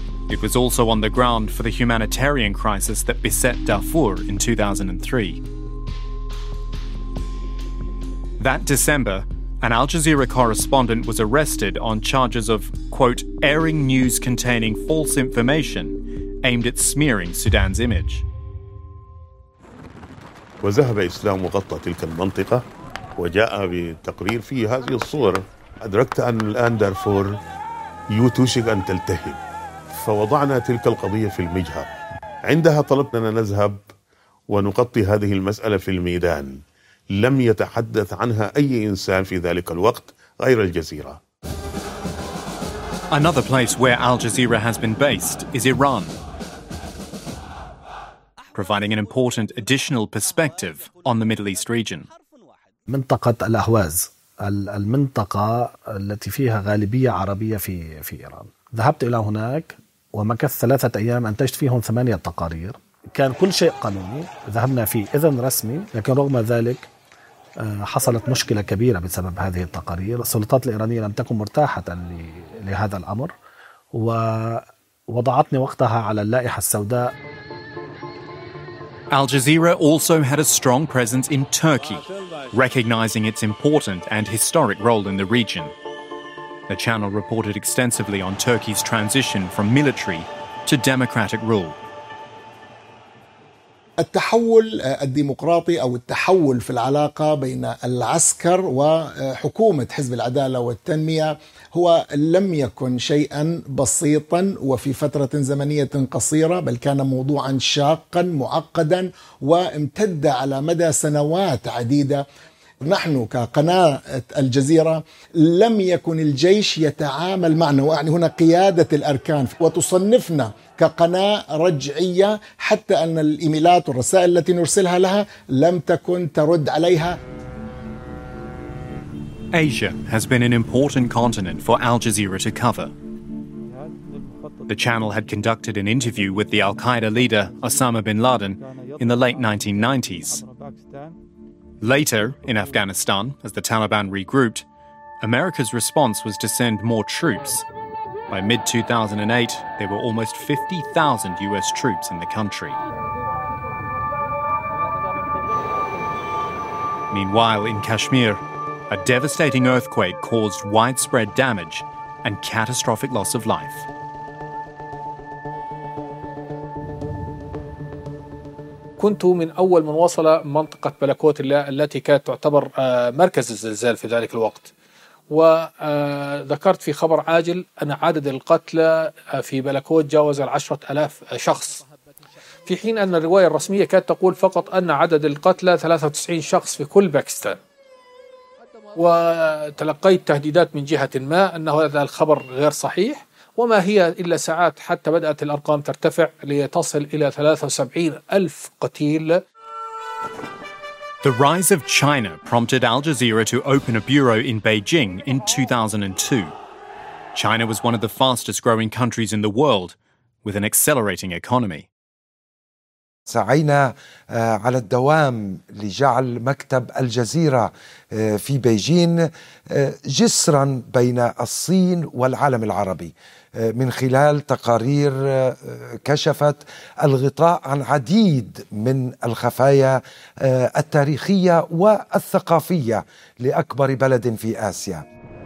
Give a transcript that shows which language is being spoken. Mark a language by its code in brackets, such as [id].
[en] It was also on the ground for the humanitarian crisis that beset Darfur in 2003. That December, an Al Jazeera correspondent was arrested on charges of, quote, airing news containing false information aimed at smearing Sudan's image. [ar] وذهب إسلام وغطى تلك المنطقة وجاء بتقرير في هذه الصور أدركت أن الآن دارفور يوتوشك أن تلتهب فوضعنا تلك القضية في المجهر عندها طلبنا أن نذهب ونغطي هذه المسألة في الميدان لم يتحدث عنها أي إنسان في ذلك الوقت غير الجزيرة. [en] Another place where Al Jazeera has been based is Iran, providing an important additional perspective on the Middle East region. [ar] منطقة الأهواز، المنطقة التي فيها غالبية عربية في إيران. ذهبت إلى هناك ومكث ثلاثة أيام أنتجت فيهم ثمانية تقارير. كان كل شيء قانوني. ذهبنا في إذن رسمي، لكن رغم ذلك حصلت مشكلة كبيرة بسبب هذه التقارير. السلطات الإيرانية لم تكن مرتاحة لهذا الأمر ووضعتني وقتها على اللائحة السوداء. [en] Al Jazeera also had a strong presence in Turkey, recognizing its important and historic role in the region. The channel reported extensively on Turkey's transition from military to democratic rule. [ar] التحول الديمقراطي أو التحول في العلاقة بين العسكر وحكومة حزب العدالة والتنمية هو لم يكن شيئا بسيطا وفي فترة زمنية قصيرة بل كان موضوعا شاقا معقدا وامتد على مدى سنوات عديدة. نحن كقناة الجزيرة لم يكن الجيش يتعامل معنا ويعني هنا قيادة الأركان وتصنفنا كقناة رجعية حتى أن الإيميلات والرسائل التي نرسلها لها لم تكن ترد عليها. [en] Asia has been an important continent for Al Jazeera to cover. The channel had conducted an interview with the Al-Qaeda leader Osama bin Laden in the late 1990s. Later, in Afghanistan, as the Taliban regrouped, America's response was to send more troops. By mid-2008, there were almost 50,000 US troops in the country. Meanwhile, in Kashmir, a devastating earthquake caused widespread damage and catastrophic loss of life. [ar] كنت من أول من وصل منطقة بلاكوت التي كانت تعتبر مركز الزلزال في ذلك الوقت، وذكرت في خبر عاجل أن عدد القتلى في بلاكوت جاوز 10,000 شخص، في حين أن الرواية الرسمية كانت تقول فقط أن عدد القتلى 93 شخص في كل باكستان. وتلقيت تهديدات من جهة ما أن هذا الخبر غير صحيح، وما هي إلا ساعات حتى بدأت الأرقام ترتفع لتصل إلى 73,000 قتيل. [en] The rise of China prompted Al Jazeera to open a bureau in Beijing in 2002. China was one of the fastest growing countries in the world with an accelerating economy. [ar] سعينا على الدوام لجعل مكتب الجزيرة في بيجين جسرا بين الصين والعالم العربي من خلال تقارير كشفت الغطاء عن عديد من الخفايا التاريخية والثقافية لأكبر بلد في آسيا.